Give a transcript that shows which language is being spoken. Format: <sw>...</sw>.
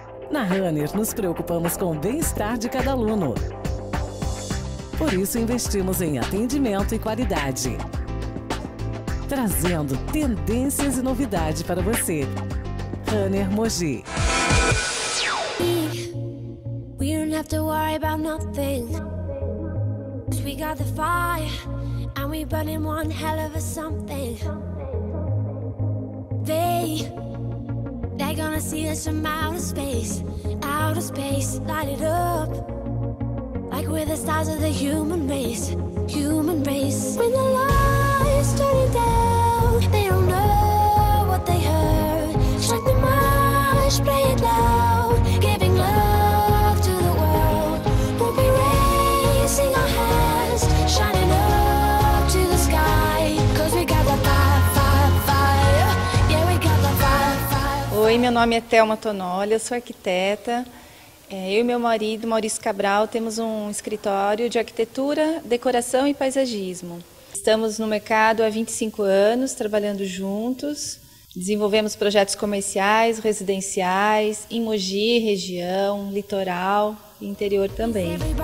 <pt>Na Runner, nos preocupamos com o bem-estar de cada aluno. Por isso, investimos em atendimento e qualidade. Trazendo tendências e novidade para você. Runner Mogi.</pt> <en>We don't have to worry about nothing. We got the fire and we burn in one hell of a something. They're gonna see us from outer space, light it up. Like we're the stars of the human race, when the lights turn it down. They don't know what they heard. Strike the march, play it loud. Giving love to the world. We'll be raising our hands, shining up to the sky. Cause we got the fire, fire, fire. Yeah, we got the fire, fire, fire.</en> <pt>Oi, meu nome é Thelma Tonoli, eu sou arquiteta. Eu e meu marido, Maurício Cabral, temos um escritório de arquitetura, decoração e paisagismo. Estamos no mercado há 25 anos, trabalhando juntos. Desenvolvemos projetos comerciais, residenciais, em Mogi, região, litoral e interior também.</pt>